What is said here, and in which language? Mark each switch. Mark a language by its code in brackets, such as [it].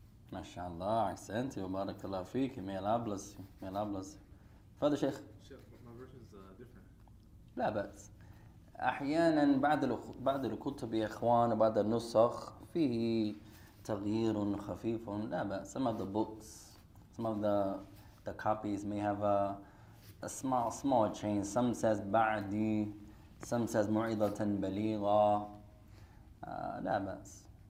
[en] MashaAllah, accent you, barakallah feek, may Allah bless you, may Allah bless you. Father Sheikh. Sheikh, my version is different. [ar] لا بأس. أحيانا بعد الكتب يا إخوان وبعد النسخ فيه تغيير خفيف لا بأس. [en] Some of the books, some of the copies may have a small change. Some says [ar] بعدي, [en] some says [ar] معظة بليغة. لا بأس.